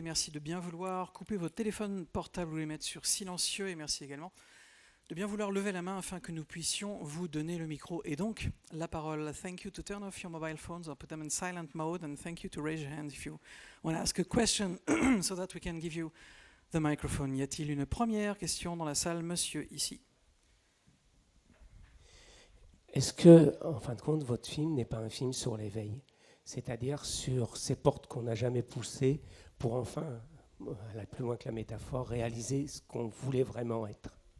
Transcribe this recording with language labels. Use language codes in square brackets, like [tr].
[fr] Merci de bien vouloir couper vos téléphones portables ou les mettre sur silencieux. Et merci également de bien vouloir lever la main afin que nous puissions vous donner le micro et donc la parole. [en] Thank you to turn off your mobile phones or put them in silent mode. And thank you to raise your hands if you want to ask a question so that we can give you the microphone. [fr] Y a-t-il une première question dans la salle, monsieur, ici? Est-ce que, en fin de compte, votre film n'est pas un film sur l'éveil, c'est-à-dire sur ces portes qu'on n'a jamais poussées pour enfin, aller plus loin que la métaphore, réaliser ce qu'on voulait vraiment être?